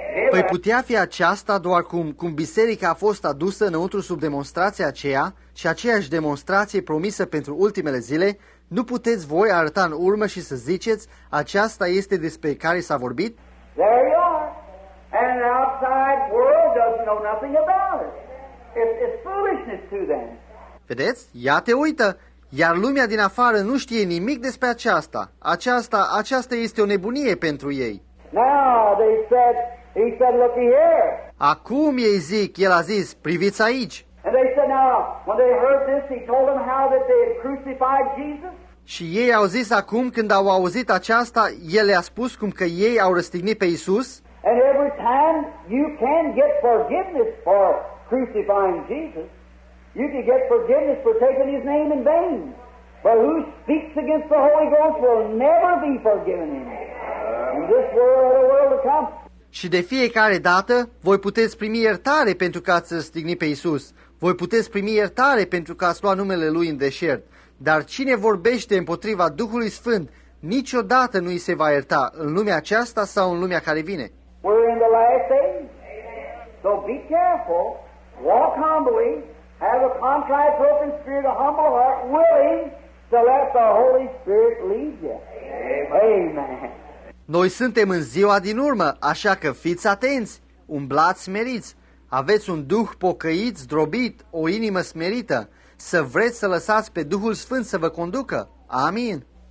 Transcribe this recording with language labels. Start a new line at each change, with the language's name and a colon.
Romanian: Păi putea fi aceasta doar cum biserica a fost adusă înăuntru sub demonstrația aceea și aceeași demonstrație promisă pentru ultimele zile. Nu puteți voi arăta în urmă și să ziceți, aceasta este despre care s-a vorbit?
English: There you are. And the outside world doesn't know nothing about it. It's foolishness to them.
Romanian: Vedeți? Ia te uită. Iar lumea din afară nu știe nimic despre aceasta. Aceasta este o nebunie pentru ei.
English: Now they said, he said, look here.
Romanian: Acum ei zic, el a zis, priviți aici.
English: And they said, now, when they heard this, he told them how that they had crucified Jesus.
Romanian: Și ei au zis acum, când au auzit aceasta, el le-a spus cum că ei au răstignit pe Iisus.
English: And every time you can get forgiveness for crucifying Jesus, you can get forgiveness for taking his name in vain. But who speaks against the Holy Ghost will never be forgiven him. In this world or the world to come.
Romanian: Și de fiecare dată voi puteți primi iertare pentru că ați răstignit pe Iisus. Voi puteți primi iertare pentru că ați luat numele Lui în deșert. Dar cine vorbește împotriva Duhului Sfânt, niciodată nu îi se va ierta în lumea aceasta sau în lumea care vine.
English: We're in the last days. So be careful, walk humbly, have a contrite broken spirit, a humble heart, willing to let the Holy Spirit lead you. Amen.
Romanian: Noi suntem în ziua din urmă, așa că fiți atenți, umblați smeriți, aveți un duh pocăit, zdrobit, o inimă smerită, să vreți să lăsați pe Duhul Sfânt să vă conducă. Amin.